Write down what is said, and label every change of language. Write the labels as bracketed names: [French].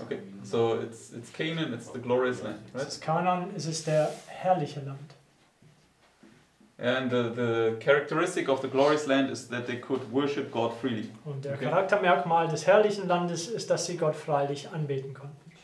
[English] Okay, so it's Canaan, it's the glorious land, right? [German] Es ist Canaan, es ist der herrliche Land. [English] And the characteristic of the glorious land is that they could worship God freely. [German] Und der Charaktermerkmal des herrlichen Landes ist, dass sie Gott freilich anbeten konnten.